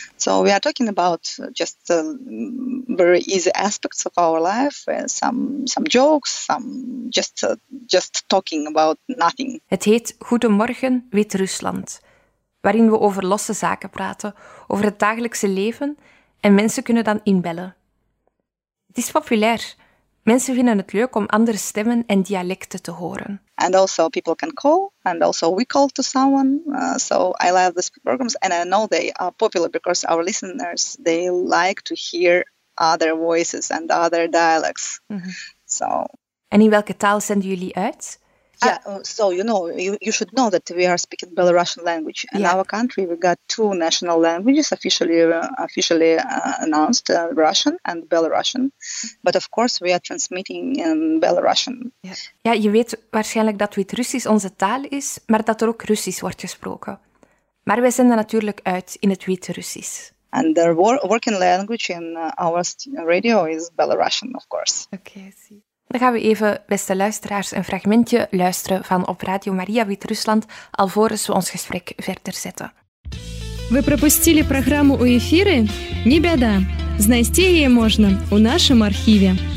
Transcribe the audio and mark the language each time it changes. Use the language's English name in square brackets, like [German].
[English] So we are talking about just very easy aspects of our life, some jokes, some just talking about nothing. [Dutch] Het heet Goedemorgen Wit-Rusland, waarin we over losse zaken praten, over het dagelijkse leven en mensen kunnen dan inbellen. Het is populair. Mensen vinden het leuk om andere stemmen en dialecten te horen. [English] And also people can call, and also we call to someone. So I love these programs, and I know they are popular because our listeners, they like to hear other voices and other dialects. Mm-hmm. So. [Dutch] En in welke taal zenden jullie uit? [English] Yeah, so you know, you should know that we are speaking Belarusian language. In our country, we got two national languages officially announced, Russian and Belarusian. But of course, we are transmitting in Belarusian. [Dutch] Ja, je weet waarschijnlijk dat Wit-Russisch onze taal is, maar dat er ook Russisch wordt gesproken. Maar wij zenden natuurlijk uit in het Wit-Russisch. [English] And the working language in our radio is Belarusian, of course. Okay, I see. [Dutch] Dan gaan we even, beste luisteraars, een fragmentje luisteren van op Radio Maria Wit-Rusland, alvorens we ons gesprek verder zetten. [Belarusian] Вы пропустили программу у эфира? Не беда. Знайсти ее можно у нашем архиве.